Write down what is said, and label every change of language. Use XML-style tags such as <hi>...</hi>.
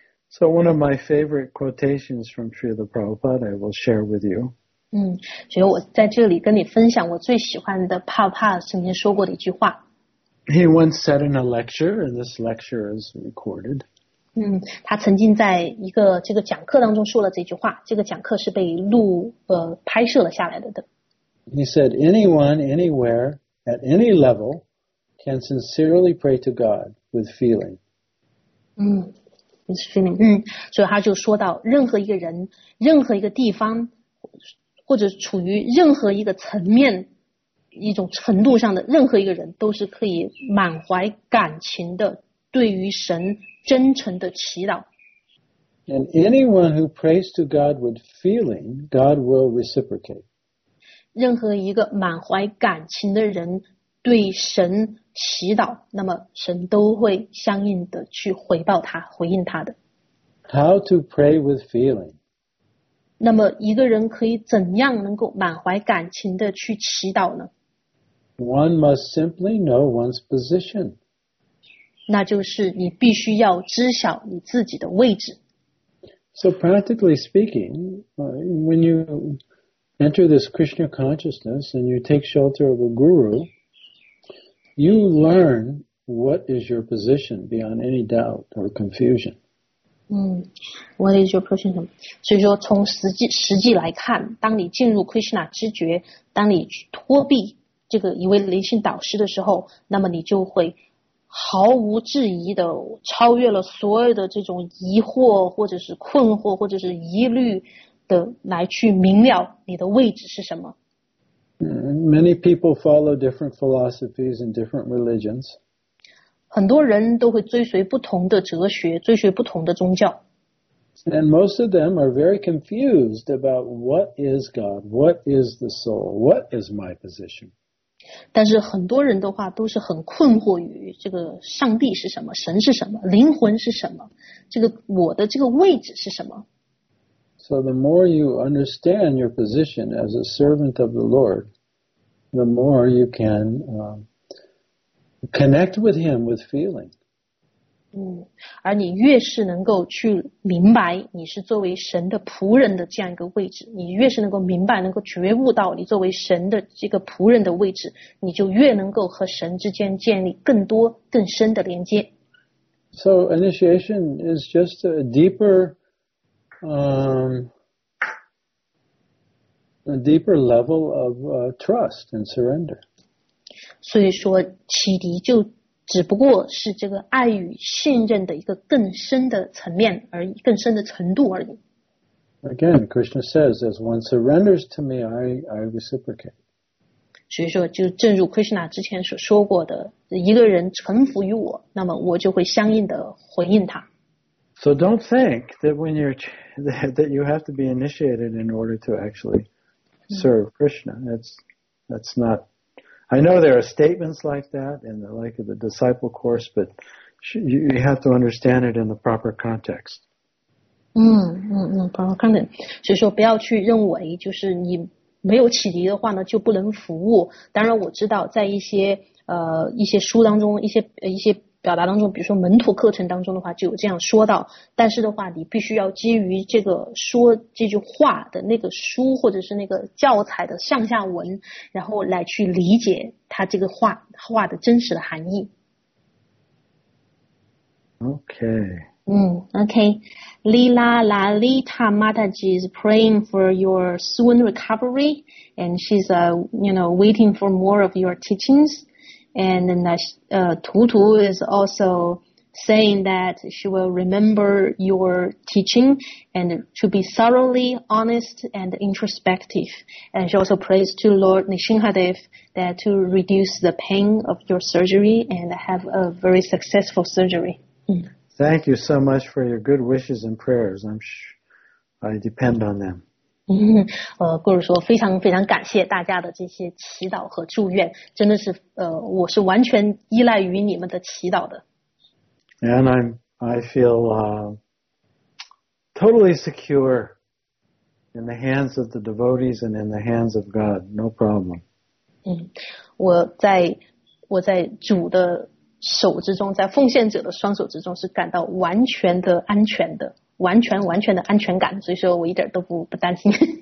<en>So one of my favorite quotations from Sri the Prabhupada I will share with you.</en> <zh>所以我在这里跟你分享我最喜欢的帕帕曾经说过的一句话。</zh> <en>He once said in a lecture, and this lecture is recorded.</en> <zh>他曾经在一个这个讲课当中说了这句话，这个讲课是被录拍摄了下来的。</zh> <en>He said, anyone, anywhere, at any level, can sincerely pray to God with feeling. With feeling.</en> <zh>所以他就说到，任何一个人，任何一个地方，或者处于任何一个层面。一种程度上的任何一个人都是可以满怀感情的对于神真诚的祈祷。</zh> <en>And anyone who prays to God with feeling, God will reciprocate.</en> <zh>任何一个满怀感情的人对神祈祷，那么神都会相应的去回报他，回应他的。</zh> <en>How to pray with feeling?</en> <zh>那么一个人可以怎样能够满怀感情的去祈祷呢？</zh> <en>One must simply know one's position.</en> <zh>那就是你必须要知晓你自己的位置。</zh> <en>So practically speaking, when you enter this Krishna consciousness and you take shelter of a guru, you learn what is your position beyond any doubt or confusion. What is your position?</en> <zh>所以说从实际来看，当你进入 Krishna 知觉，当你脱壁这个一位灵性导师的时候，那么你就会毫无质疑的超越了所有的这种疑惑或者是困惑或者是疑虑的来去明了你的位置是什么。</zh> <en>Many people follow different philosophies and different religions.</en> <zh>很多人都会追随不同的哲学，追随不同的宗教。</zh> <en>And most of them are very confused about what is God, what is the soul, what is my position.</en> <zh>但是很多人的话都是很困惑于这个上帝是什么，神是什么，灵魂是什么，这个我的这个位置是什么。</zh> <en>So the more you understand your position as a servant of the Lord, the more you can connect with him with feeling.</en> <zh>而你越是能够去明白你是作为神的仆人的这样一个位置，你越是能够明白能够觉悟到你作为神的这个仆人的位置，你就越能够和神之间建立更多更深的连接。</zh> <en>So initiation is just a deeper level of trust and surrender.</en> <zh>所以说启迪就只不过是这个爱与信任的一个更深的层面而已，更深的程度而已。</zh> <en>Again, Krishna says, as one surrenders to me, I reciprocate.</en> <zh>所以说，就正如 Krishna 之前所说过的，一个人臣服于我，那么我就会相应的回应他。</zh> <en>So don't think that when you're that you have to be initiated in order to actually serve Krishna. That's not. I know there are statements like that in the like of the disciple course, but you have to understand it in the proper context. Proper context.</en> <zh>所以说不要去认为就是你没有启迪的话呢就不能服务。当然我知道在一些书当中，一些表达当中，比如说门徒课程当中的话就有这样说到。但是的话，你必须要基于这个说这句话的那个书或者是那个教材的上下文，然后来去理解它这个话的真实的含义。</zh> <en>Okay. Okay. Lila Lalita Mataji is praying for your soon recovery, and she's waiting for more of your teachings.And then Tutu is also saying that she will remember your teaching and to be thoroughly honest and introspective. And she also prays to Lord Nisimhadev that to reduce the pain of your surgery and have a very successful surgery. Thank you so much for your good wishes and prayers. I'm sure I depend on them.</en> <zh>顾儒说非常非常感谢大家的这些祈祷和祝愿，真的是我是完全依赖于你们的祈祷的。</zh> <en>And I feel totally secure in the hands of the devotees and in the hands of God. No problem.</en> <zh>我在主的手之中，在奉献者的双手之中，是感到完全的安全的，完全完全的安全感。所以说我一点都不担心。</zh>